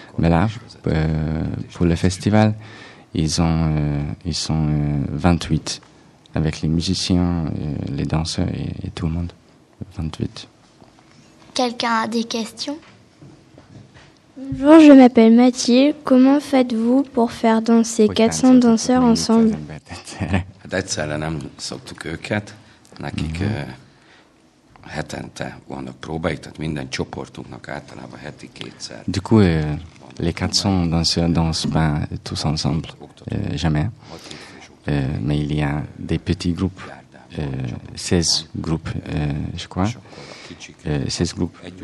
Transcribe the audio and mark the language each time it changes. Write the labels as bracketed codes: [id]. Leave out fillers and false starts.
[fr] Mais là, pour le festival, ils sont 28, avec les musiciens, les danseurs et tout le monde. 28. Quelqu'un a des questions? Bonjour, je m'appelle Mathilde. Comment faites-vous pour faire danser 400 danseurs ensemble? [hu] Egyszerre nem szoktuk őket, nekik hetente vannak próbáik, tehát minden csoportunknak általában heti kétszer. [fr] Du coup, les 400 danseurs dansent pas tous ensemble, jamais. Mais il y a des petits groupes, 16 groupes, je crois. 16 groupes.